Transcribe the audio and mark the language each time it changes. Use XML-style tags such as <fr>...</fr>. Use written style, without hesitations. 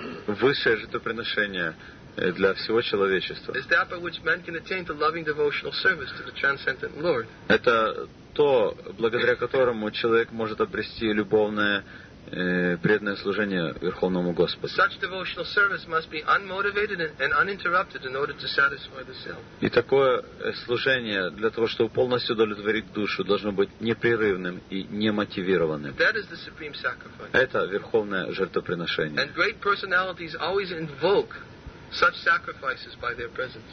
<ru>Высшее жертвоприношение для всего человечества.</ru> <en>Is that by which men can attain to loving devotional service to the transcendent Lord?</en> <ru>Это то, благодаря которому человек может обрести любовное преданное служение Верховному Господу.</ru> <en>Such devotional service must be unmotivated and uninterrupted in order to satisfy the self.</en> <ru>И такое служение для того, чтобы полностью удовлетворить душу, должно быть непрерывным и немотивированным.</ru> <en>That is the supreme sacrifice.</en> <ru>Это верховное жертвоприношение.</ru> <en>And great personalities always invoke such sacrifices by their presence.</en>